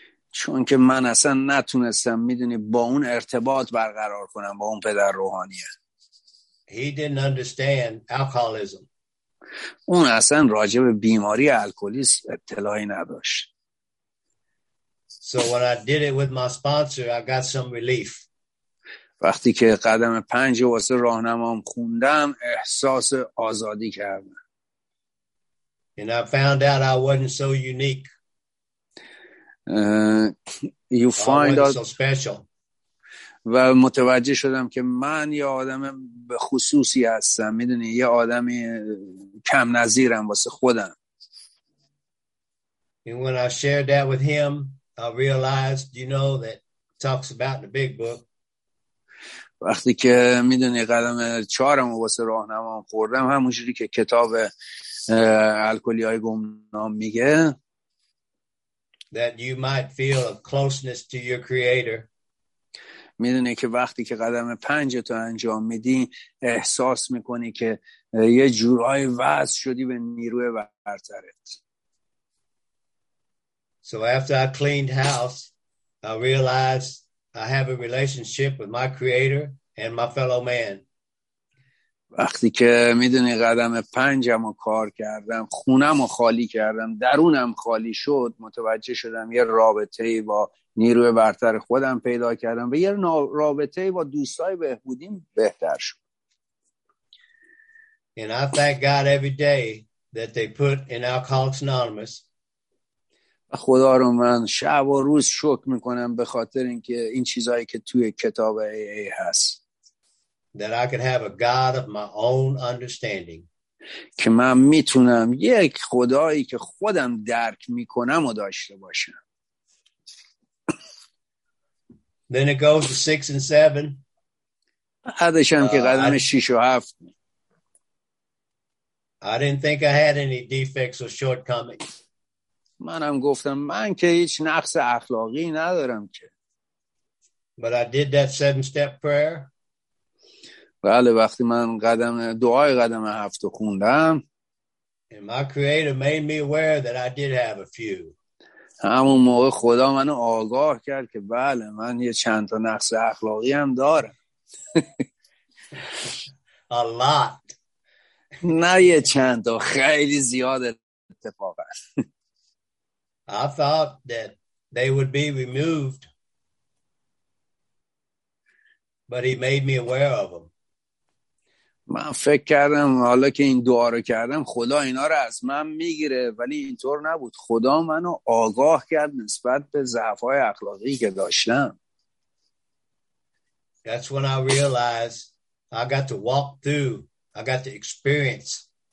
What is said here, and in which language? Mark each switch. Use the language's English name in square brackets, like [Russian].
[Persian] چون که من اصلا نتونستم میدونی با اون ارتباط برقرار کنم با اون پدر روحانیه. [English] He didn't understand alcoholism. [Persian] اون اصلا راجع به بیماری الکلیس اطلاعی نداشت. [English] So when I did it with my sponsor, I got some relief. [Persian] وقتی که قدم 5 واسه راهنمام خوندم احساس آزادی کردم. [English] And I found out I wasn't so unique. You find out so special. [Persian] و متوجه شدم که من یه آدم به خصوصی هستم، میدونی یه آدم کم نظیرم واسه خودم. [English] And when I shared that with him, I realized, you know, that talks about the big book. [Persian] وقتی که میدونی قدم 4 واسه راهنمام خوردم، همونجوری که کتاب الکلی های گمنام میگه، [English] that you might feel a closeness to your creator. [Persian] میدونی که وقتی که قدم 5 تو انجام میدی احساس میکنی که یه جورای وصل شدی به نیروی برترت. [English] So after I cleaned house, I realized I have a relationship with my creator and my fellow man. [Persian] وقتی که میدونی قدم 5مو کار کردم، خونمو خالی کردم، درونم خالی شد، متوجه شدم یه رابطه با نیروی برتر خودم پیدا کردم و یه رابطه با دوستای بهبودیم بهتر شد. [English] And I thank God every day that they put in Alcoholics Anonymous. [Persian] خدا رو من شب و روز شکر میکنم به خاطر اینکه این چیزایی که توی کتاب AA هست. [English] That I could have a God of my own understanding. [Persian] که من میتونم یک خدایی که خودم درک میکنم و داشته باشم. [English] Then it goes to 6 and 7. [Persian] حدشم که قدم 6 و 7. [English] I didn't think I had any defects or shortcomings. [Persian] منم گفتم من که هیچ نقص اخلاقی ندارم که. [English] But I did that 7-step prayer. [Persian] بله وقتی من قدم دعای قدم 7 خوندم. [English] And my creator made me aware that I did have a few. [Persian] همون موقع خدا منو آگاه کرد که بله من یه چند تا نقص اخلاقی هم دارم. [English] A lot. [Persian] نه یه چند تا، خیلی زیاد اتفاقا. [English] I thought that they would be removed, but he made me aware of them. [Persian] من فکر کردم حالا که این دعا رو کردم خدا اینا رو از من میگیره، ولی اینطور نبود. خدا منو آگاه کرد نسبت به ضعف‌های اخلاقی که داشتم. [English] That's when I realized I got to walk through, I got to experience.